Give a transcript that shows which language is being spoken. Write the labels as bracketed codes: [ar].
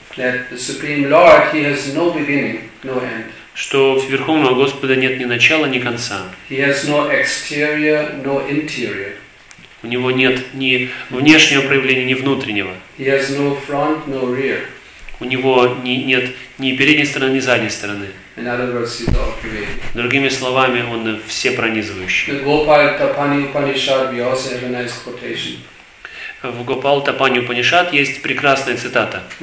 [en] that the Supreme Lord, he has no beginning, no end. [ru] Что у Верховного Господа нет ни начала, ни конца. [en] He has no exterior, no interior. [ru] У него нет ни внешнего проявления, ни внутреннего. [en] He has no front, no rear. [ru] У него нет ни передней стороны, ни задней стороны. [en] In other words, he's all pervading. [ru] Другими словами, он всепронизывающий. [en] The Gopal Tapani Upanishad, we also have a nice quotation. [ru] В Гопал Тапани Упанишад есть прекрасная цитата.